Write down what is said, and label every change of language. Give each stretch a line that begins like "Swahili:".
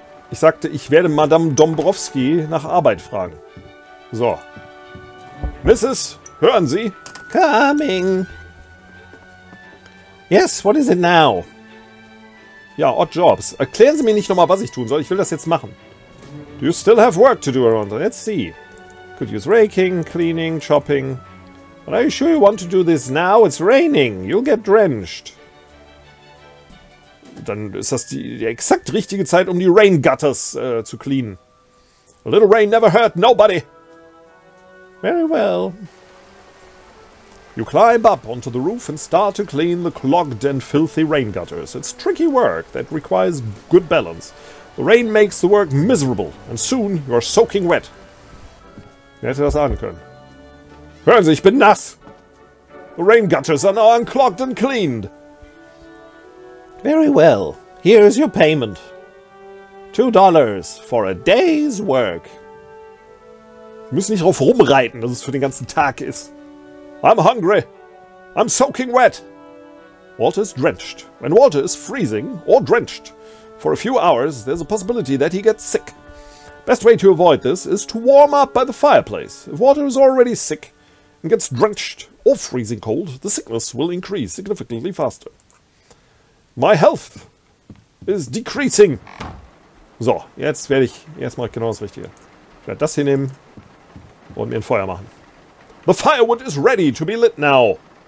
German: Ich sagte, ich werde Madame Dombrowski nach Arbeit fragen. So. Mrs., hören Sie?
English: Coming. Yes, what is it now? Ja, odd jobs.
German: Erklären Sie mir nicht nochmal, was ich tun soll. Ich will das jetzt machen.
English: Do you still have work to do around? Let's see. Could use raking, cleaning, chopping. But are you sure you want to do this now? It's raining. You'll get drenched.
German: Dann ist das die exakt richtige Zeit, um die Rain Gutters zu cleanen.
English: A little rain never hurt nobody. Very well. You climb up onto the roof and start to clean the clogged and filthy rain gutters. It's tricky work that requires good balance. The rain makes the work miserable, and soon you're soaking wet.
German: Hätte das sagen können. Hören Sie, ich bin nass!
English: The rain gutters are now unclogged and cleaned. Very well. Here's your payment. $2 for a day's work.
German: Sie müssen nicht drauf rumreiten, dass es für den ganzen Tag ist.
English: I'm hungry. I'm soaking wet. Walter is drenched. When Walter is freezing or drenched for a few hours, there's a possibility that he gets sick. Best way to avoid this is to warm up by the fireplace. If Walter is already sick and gets drenched or freezing cold, the sickness will increase significantly faster. My health is decreasing.
German: So, jetzt werde ich, jetzt mache ich genau das Richtige. Ich werde das hier nehmen und mir ein Feuer machen.
English: The firewood is ready to be lit now.